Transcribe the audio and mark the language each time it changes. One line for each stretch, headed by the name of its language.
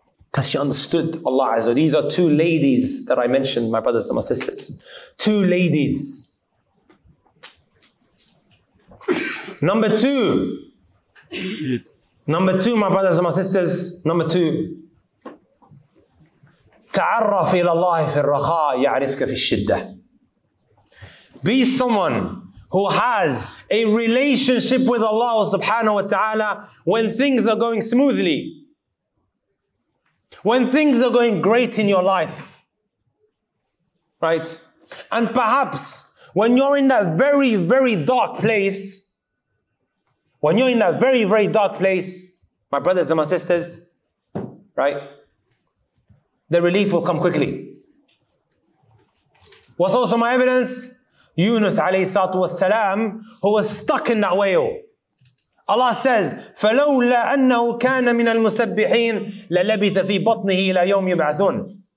English: Because she understood Allah Azza. These are two ladies that I mentioned, my brothers and my sisters. Two ladies. Number two. Number two, my brothers and my sisters. Number two.
Arabic: تعرف إلى الله في الرخاء يعرفك في الشدة.
English: Be someone who has a relationship with Allah subhanahu wa ta'ala when things are going smoothly. When things are going great in your life. Right? And perhaps when you're in that very, very dark place, when you're in that very, very dark place, my brothers and my sisters, right? The relief will come quickly. What's also my evidence? Yunus alayhi salatu wassalam, who was stuck in that whale. Allah says,
Arabic: فَلَوْلَا أَنَّهُ كَانَ مِنَ الْمُسَبِّحِينَ لَلَبِثَ فِي بَطْنِهِ إِلَى يَوْمِ يُبْعَثُونَ.